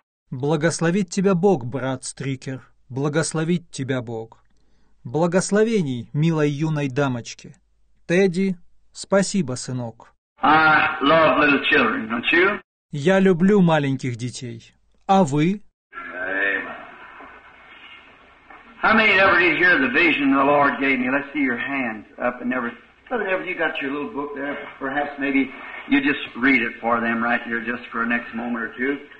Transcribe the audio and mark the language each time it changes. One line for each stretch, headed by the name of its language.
Russian: Благословит тебя Бог, брат Стрикер. Благословит тебя Бог. Благословений, милой юной дамочке. Тедди, спасибо, сынок.
English: I love little children, don't you?
Russian: Я люблю маленьких детей. А вы?
English: How many ever did hear the vision the Lord gave me? Let's see your hands up and never. Whatever, you got your little book there. Perhaps maybe you just read it for them right here just for the next moment or two.